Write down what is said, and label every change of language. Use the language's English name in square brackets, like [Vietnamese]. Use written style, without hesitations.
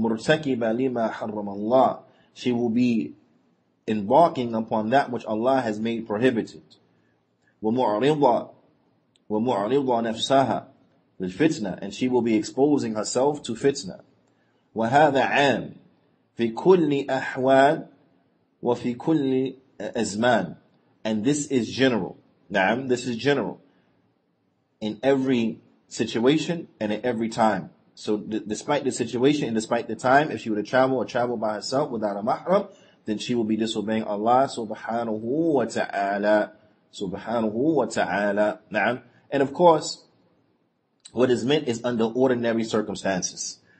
[Arabic] مُرْتَكِبَ لِمَا حَرَّمَ اللَّهِ, [English] she will be embarking upon that which Allah has made prohibited. [Arabic] وَمُعْرِضَ نَفْسَهَا لِلْفِتْنَةِ, [English] and she will be exposing herself to fitna. [Arabic] وَهَذَا عَامٌ فِي كُلِّ أَحْوَالٍ وَفِي كُلِّ أَزْمَانٍ, [English] and this is general. نعم, this is general. In every situation and at every time. So despite the situation and despite the time, if she were to travel by herself without a mahram, then she will be disobeying Allah subhanahu wa ta'ala. Subhanahu wa ta'ala. Na'am. And of course, what is meant is under ordinary circumstances.